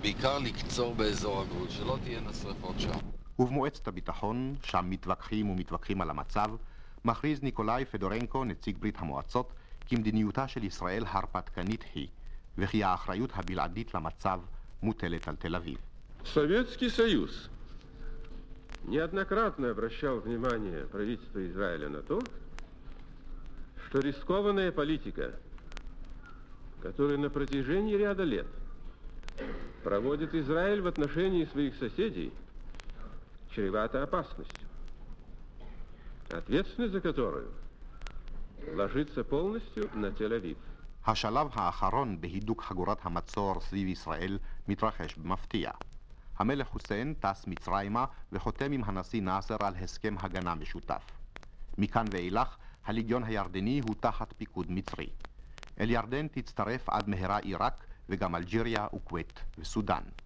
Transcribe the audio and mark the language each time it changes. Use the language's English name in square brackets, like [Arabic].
[Hebrew] בעיקר לקצור באזור הגבול, שלא תהיינה שריפות שם. ובמועצת הביטחון, שם מתווכחים ומתווכחים על המצב, מכריז ניקולאי פדורנקו, נציג ברית המועצות, כי מדיניותה של ישראל הרפתקנית היא, וכי האחריות הבלעדית למצב מוטלת על תל אביב. [Russian] סובייטסקי סיוז неоднократно обращал внимание правительства Израиля на то, что рискованная политика, которая на протяжении ряда лет проводит Израиль в отношении своих соседей, чревата опасностью. ответственность за которую ложится полностью на Тель-Авив. [Hebrew] השלב האחרון בהידוק חגורת המצור סביב ישראל מתרחש במפתיע. המלך חוסיין טס מצרימה וחותם עם הנשיא נאסר על הסכם הגנה משותף. מכאן ואילך, הליגיון הירדני הוא תחת פיקוד מצרי. אל ירדן תצטרף עד מהרה עיראק וגם אלג'יריה וקווית וסודן.